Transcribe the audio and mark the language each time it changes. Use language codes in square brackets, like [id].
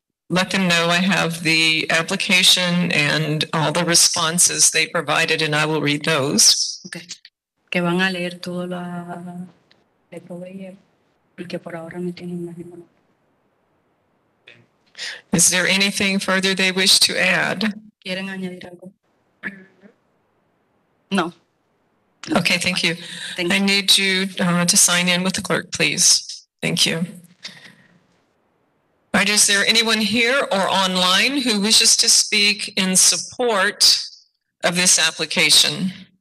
[en] Let them know I have the application and all the responses they provided, and I will read those. Okay. [es] Que van a leer todo lo que proveyeron, porque por ahora no tienen más ninguna. [en] Is there anything further they wish to add? [es] ¿Quieren añadir algo? No. [en] Okay, thank you. I need you to sign in with the clerk, please. Thank you. All right, is there anyone here or online who wishes to speak in support of this application?